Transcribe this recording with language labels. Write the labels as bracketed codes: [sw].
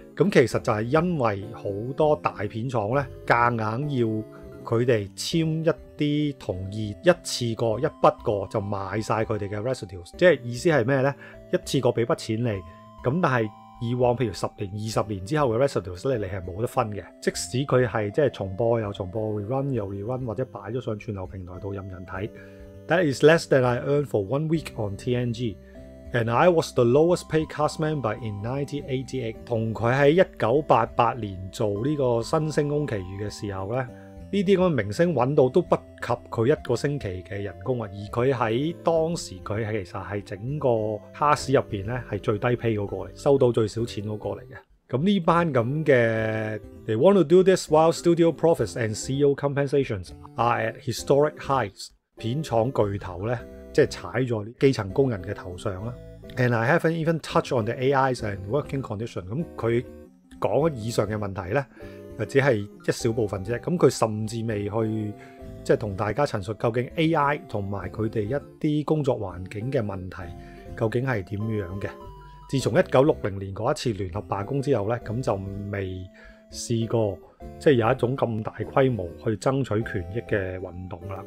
[yue] 咁其實就係因為好多大片廠咧，夾硬要佢哋簽一啲同意，一次過一筆過就賣曬佢哋嘅 residues， 即係意思係咩呢？一次過俾筆錢你，咁但係以往譬如十年、二十年之後嘅 residues 咧，你係冇得分嘅。即使佢係即係重播又重播 ，rerun 又 rerun， 或者擺咗上串流平台度任人睇 ， [en] That is less than I earn for one week on TNG。 And I was the lowest paid cast member in 1988. [yue] 同佢喺1988年做呢个新星宫崎骏嘅时候咧，呢啲咁嘅明星揾到都不及佢一个星期嘅人工啊。而佢喺当时佢其实系整个 cast 入边咧系最低 pay 嗰个嚟，收到最少钱嗰个嚟嘅。咁呢班咁嘅 [en] ，They want to do this while studio profits and CEO compensations are at historic highs. [yue] 片厂巨头咧。即係踩咗基層工人嘅頭上啦。 [en] And I haven't even touched on the AIs and working condition。 [yue] 咁佢講以上嘅問題咧，只係一小部分啫。咁佢甚至未去即係同大家陳述究竟 AI 同埋佢哋一啲工作環境嘅問題究竟係點樣嘅。自從1960年嗰一次聯合罷工之後咧，咁就未試過即係有一種咁大規模去爭取權益嘅運動啦。